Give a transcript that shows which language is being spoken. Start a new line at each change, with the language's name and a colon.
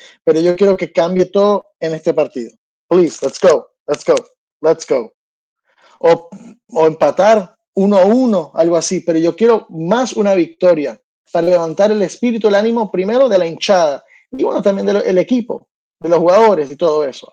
Spanish: Pero yo quiero que cambie todo en este partido.
English: Please, let's go, let's go, let's go.
Spanish: O empatar 1-1, algo así, pero yo quiero más una victoria para levantar el espíritu, el ánimo primero de la hinchada y bueno, también del equipo, de los jugadores y todo eso.